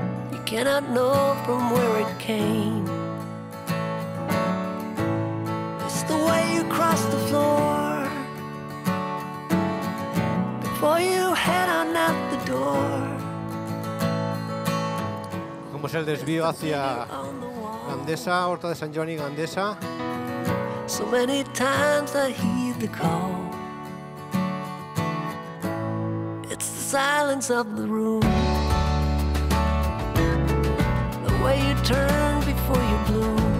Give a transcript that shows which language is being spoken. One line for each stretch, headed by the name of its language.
English: You cannot know from where it came. It's the way you cross the floor before you head on out the door.
Spanish: Vamos el desvío hacia Gandesa, Horta de San Joan y Gandesa.
English: So many times I hear the call. It's the silence of the room. The way you turn before you bloom.